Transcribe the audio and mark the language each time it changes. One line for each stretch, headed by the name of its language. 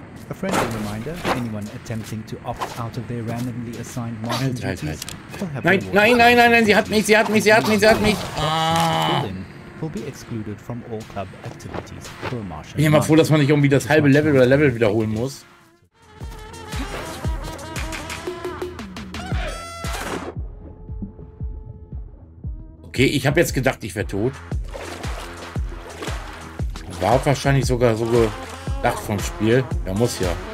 English: A friendly reminder, anyone attempting to opt out of their randomly assigned one.
German: Nein, nein, nein, nein, nein, sie hat mich, sie hat mich, sie hat mich, sie hat mich. Sie hat mich. Ah.
English: will be excluded from all club activities.
German: Ich bin ja mal froh, dass man nicht irgendwie das halbe Level oder Level wiederholen muss. Okay, ich habe jetzt gedacht, ich wäre tot. War wahrscheinlich sogar so gedacht vom Spiel. Er muss ja.